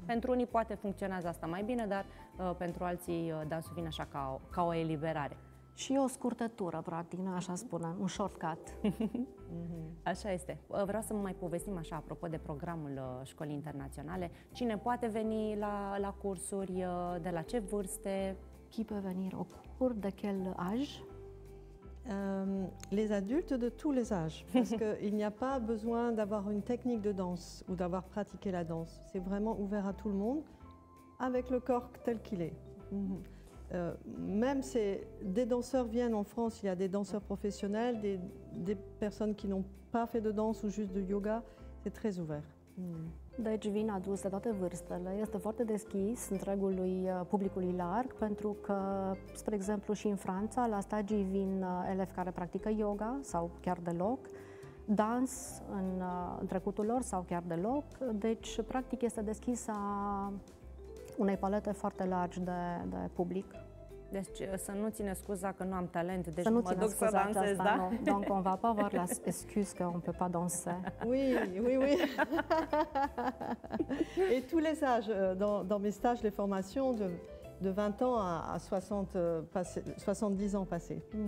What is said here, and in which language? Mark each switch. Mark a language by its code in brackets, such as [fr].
[ro] Pentru unii poate funcționează asta mai bine, dar pentru alții dansul vine așa ca o eliberare. Și o scurtătură, practic, așa spunem, un shortcut. Așa este. Vreau să mai povestim așa, apropo de programul școlii internaționale. Cine poate veni la cursuri, de la ce vârste? [fr] Qui peut venir au cours, de quel âge? Les adultes de tous les âges. Parce qu'il n'y a pas besoin d'avoir une technique de danse ou d'avoir pratiqué la danse. C'est vraiment ouvert à tout le monde, avec le corps tel qu'il est. Même si des danseurs viennent en France, il y a des danseurs professionnels, des personnes qui n'ont pas fait de danse ou juste de yoga, c'est très ouvert. [ro] Deci vin adus de toate vârstele, este foarte deschis întregului publicului larg, pentru că, spre exemplu, și în Franța, la stagii vin elevi care practică yoga sau chiar deloc, dans în trecutul lor sau chiar deloc, deci practic este deschis a... unei palete foarte largi de public. Deci să nu ține scuza că nu am talent, deci să nu mă duc să dansez, asta, da? [fr] Donc on va pas avoir la excuse que on peut pas danser. Oui, oui, oui. Et tous les âges, dans mes stages, les formations de 20 ans à 70 ans passés.